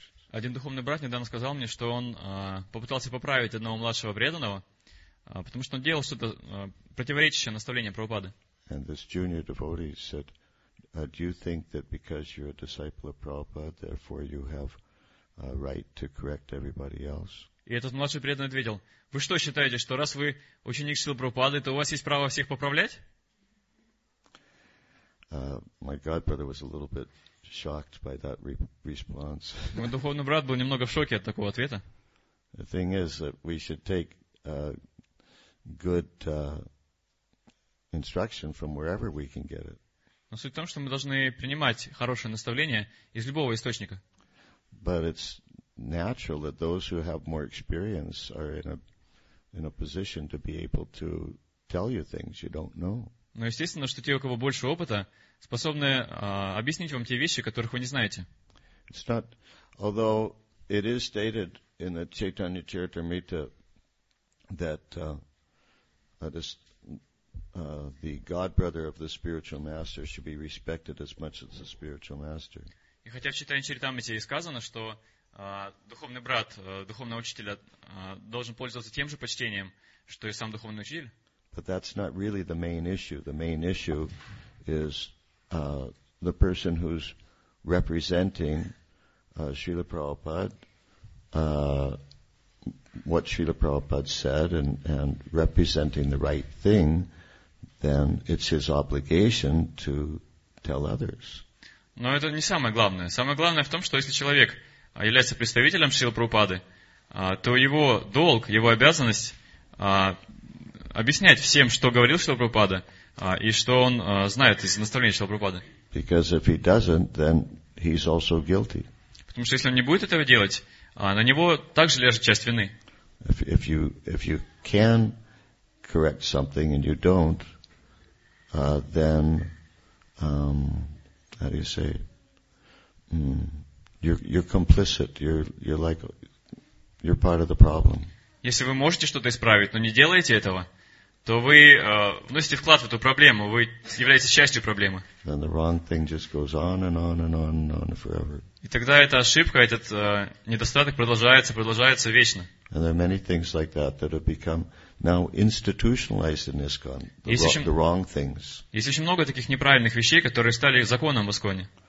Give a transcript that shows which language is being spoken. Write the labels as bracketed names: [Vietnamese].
[Russian] Один духовный брат недавно сказал мне, что он попытался поправить одного младшего преданного, потому что он делал что-то противоречащее наставлению Прабхупады. [English] And this junior devotee said, do you think that because you're a disciple of Prabhupada, therefore you have a right to correct everybody else? [Russian] И этот младший преданный ответил: вы что считаете, что раз вы ученик Шрилы Прабхупады, то у вас есть право всех поправлять? [English] My godbrother was a little bit shocked by that response. [Russian] Мой духовный брат был немного в шоке от такого ответа. [English] The thing is that we should take good instruction from wherever we can get it. [Russian] Но суть в том, что мы должны принимать хорошее наставление из любого источника. [English] But it's natural that those who have more experience are in a position to be able to tell you things you don't know. [Russian] Но естественно, что те, у кого больше опыта, способны объяснить вам те вещи, которых вы не знаете. [English] It's not, although it is stated in the Chaitanya Charitamrita that the godbrother of the spiritual master should be respected as much as the spiritual master. [Russian] И хотя в Чайтанья Чаритамрите и сказано, что духовный брат духовного учителя должен пользоваться тем же почтением, что и сам духовный учитель. [English] But that's not really the main issue. The main issue is the person who's representing Srila Prabhupada, what Srila Prabhupada said, and representing the right thing, then it's his obligation to tell others. [Russian] Но это не самое главное. Самое главное в том, что если человек является представителем Шрилы Прабхупады, то его долг, его обязанность объяснять всем, что говорил Шрила Прабхупада, и что он знает из наставления Шрила Прабхупады. [English] Because if he doesn't, then he's also guilty. [Russian] Потому что если он не будет этого делать, на него также ляжет часть вины. [English] If you can correct something and you don't, then how do you say it? You're complicit. You're part of the problem. [Russian] Если вы можете что-то исправить, но не делаете этого, то вы вносите вклад в эту проблему, вы являетесь частью проблемы. [English] Then the wrong thing just goes on and on and on and on forever. [Russian] И тогда эта ошибка, этот недостаток продолжается вечно. [English] And there are many things like that that have become now institutionalized in ISKCON. The wrong things. [Russian] Есть очень много таких неправильных вещей, которые стали законом в ISKCON.